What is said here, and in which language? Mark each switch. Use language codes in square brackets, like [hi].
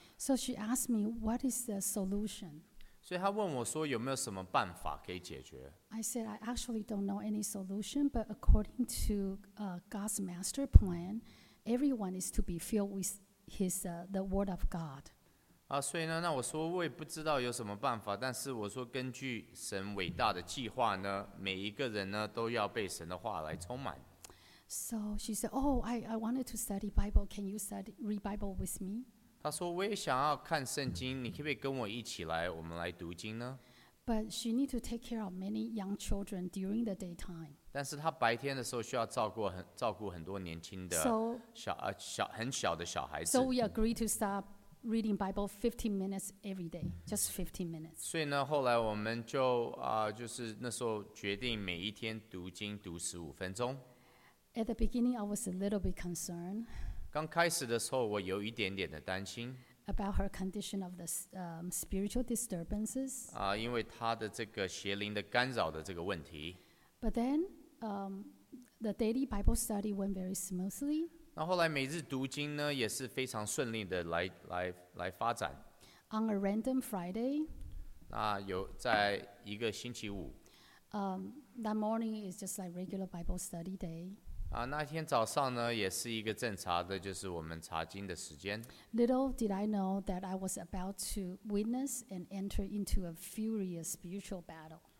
[en] So she asked me, what is the solution? [zh] 所以她问我说有没有什么办法可以解决? [en] I said, I actually don't know any solution, but according to God's master plan, everyone is to be filled with his, the word of God. [zh] 啊，所以呢，那我说我也不知道有什么办法，但是我说根据神伟大的计划呢，每一个人呢都要被神的话来充满。 [en] So she said, oh, I wanted to study Bible. Can you study, read Bible with me? [zh] 她说我也想要看圣经，你可不可以跟我一起来，我们来读经呢？ [en] But she need to take care of many young children during the daytime. [zh] 但是她白天的时候需要照顾很多年轻的很小的小孩子。 [en] So we agreed to stop reading Bible 15 minutes every day, just 15 minutes. [zh] 所以呢，后来我们就就是那时候决定每一天读经读15分钟。 [en] At the beginning, I was a little bit concerned. [zh] 刚开始的时候，我有一点点的担心。 [en] About her condition of the spiritual disturbances. [zh] 因为她的这个邪灵的干扰的这个问题。 [en] But then, the daily Bible study went very smoothly. [zh] 那后来每日读经呢，也是非常顺利的来发展。 [en] On a random Friday. [zh] 那有在一个星期五。 [en] That morning is just like regular Bible study day. [zh] 那天早上呢，也是一个正常的，就是我们查经的时间。 [en] Little did I know that I was about to witness and enter into a furious spiritual battle.